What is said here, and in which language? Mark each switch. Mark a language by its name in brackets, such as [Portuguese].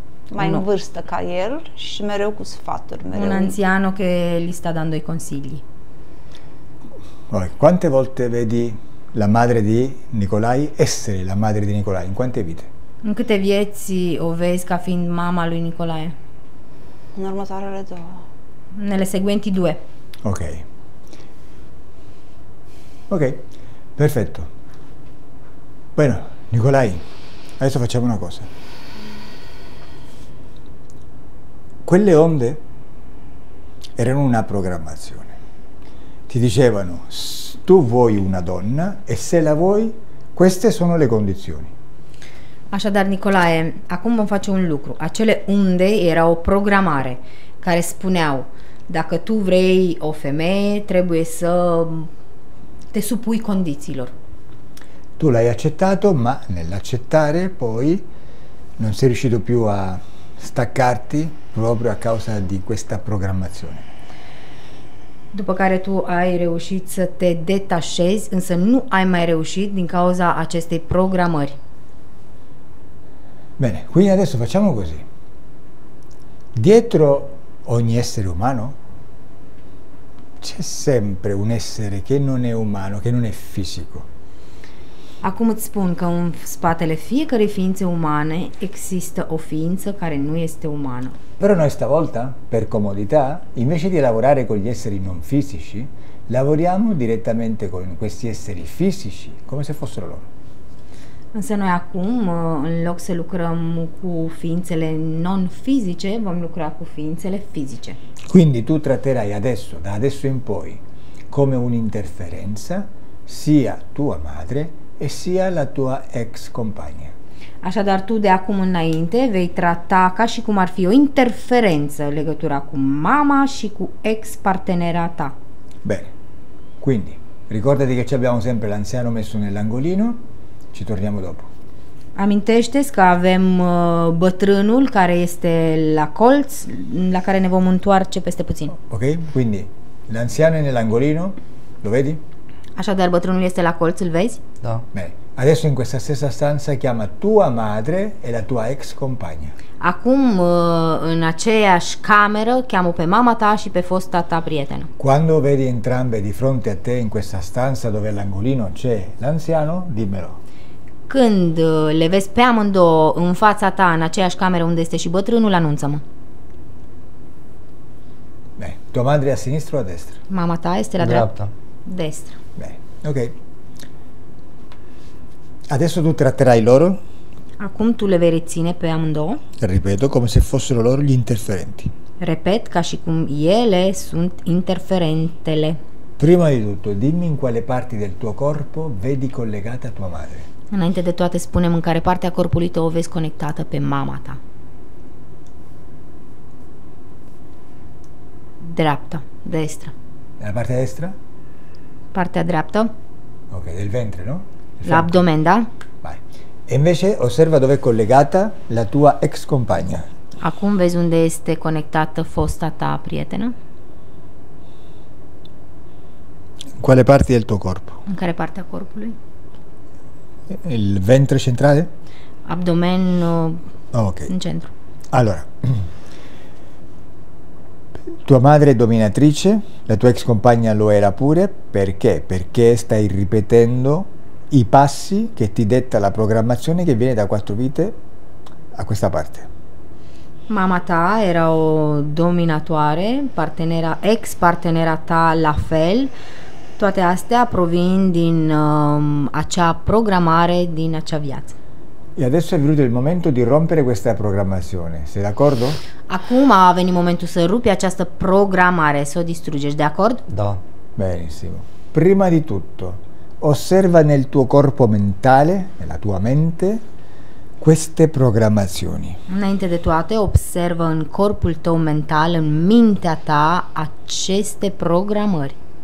[Romanian] Mai în vârstă ca el și mereu cu sfaturi. Mereu. [Italian] Un anziano che li sta dando i consigli. Quante volte vedi la madre di Nicolai essere la madre di Nicolai? In quante vite? [Romanian] În câte vieți o vezi ca fiind mama lui Nicolae? În următoarele două. [Italian] Nele seguenti due. Ok. Ok, perfetto. [Spanish] Bueno, [Italian] Nicolai, adesso facciamo una cosa. Quelle onde erano una programmazione. Ti dicevano, tu vuoi una donna e se la vuoi, queste sono le condizioni. [Romanian] Așadar, Nicolae, acum vom face un lucru. Acele onde era o programare care spuneau, dacă tu vrei o femeie, trebuie să te supui condițiilor. [Italian] Tu l-ai accettato, ma nell'accettare poi non sei riuscito più a staccarti proprio a causa di questa programmazione. [Romanian] După care tu ai reușit să te detașezi, însă nu ai mai reușit din cauza acestei programări. [Italian] Bene, quindi adesso facciamo così. Dietro ogni essere umano c'è sempre un essere che non è umano, che non è fisico. [Romanian] Acum îți spun că în spatele fiecărei ființe umane există o ființă care nu este umană. [Italian] Però noi stavolta, per comodità, invece di lavorare con gli esseri non fisici, lavoriamo direttamente con questi esseri fisici, come se fossero loro. [Romanian] Însă noi acum, în loc să lucrăm cu ființele non fisice, vom lucra cu ființele fizice. [Italian] Quindi tu tratterai adesso, da adesso in poi, come un'interferenza sia tua madre e sia la tua ex compagna. [Romanian] Așadar, tu de acum înainte vei trata ca și cum ar fi o interferență legătura cu mama și cu ex partenera ta. [Italian] Bene. Quindi, ricordati che ci abbiamo sempre l'anziano messo nell'angolino. Ci torniamo dopo. [Romanian] Amintește că avem bătrânul care este la colț, la care ne vom întoarce peste puțin. [Italian] Ok, quindi l'anziano è nell'angolino, lo vedi? [Romanian] Așadar, bătrânul este la colț, îl vezi? Da. [Italian] Bene. Adesso in questa stessa stanza chiama tua madre e la tua ex compagna. [Romanian] Acum în aceeași cameră cheamă pe mama ta și pe fosta ta prietenă. [Italian] Quando vedi entrambe di fronte a te in questa stanza dove l'angolino c'è l'anziano, dimmelo. [Romanian] Când le vezi pe amândouă în fața ta, în aceeași cameră unde este și bătrânul, anunță-mă. [Italian] Bene. Tua madre a sinistra o a destra? [Romanian] Mama ta este la dreapta. [Italian] Destra. Bene. Ok. Adesso tu tratterai loro? [Romanian] Acum tu le vei reține pe amândouă? [Italian] Ripeto, come se fossero loro gli interferenti. [Romanian] Repet, ca și cum ele sunt interferentele. [Italian] Prima di tutto, dimmi in quale parti del tuo corpo vedi collegata tua madre. [Romanian] Înainte de toate, spune-mi în care parte a corpului tău o vezi conectată pe mama ta. Dreapta, [Italian] destra. [Romanian] La partea [Italian] destra? [Romanian] Partea dreaptă. [Italian] Ok, del ventre, nu? [Romanian] L'abdomen, da? [Italian] Vai. E invece osserva dove è collegata la tua ex compagna. [Romanian] Acum vezi unde este conectată fosta ta prietenă? [Italian] In quale parte del tuo corpo? [Romanian] În care parte a corpului? [Italian] Il ventre centrale? [Romanian] Abdomen okay. [Italian] In centro. Allora, tua madre è dominatrice, la tua ex compagna lo era pure, perché? Perché stai ripetendo i passi che ti detta la programmazione che viene da quattro vite a questa parte. [Romanian] Mama ta era o dominatoare, partenera, ex partenera ta la fel. Toate astea provin din acea programare, din acea viață. [Italian] E adesso è venuto il momento di rompere questa programmazione. Sei d'accordo? [Romanian] Acum a venit momentul să rupi această programare, să o distrugești, de acord? Da. [Italian] Benissimo. Prima di tutto, osserva nel tuo corpo mentale, nella tua mente, queste programmazioni. [Romanian] Înainte de toate, observă în corpul tău mental, în mintea ta, aceste programări.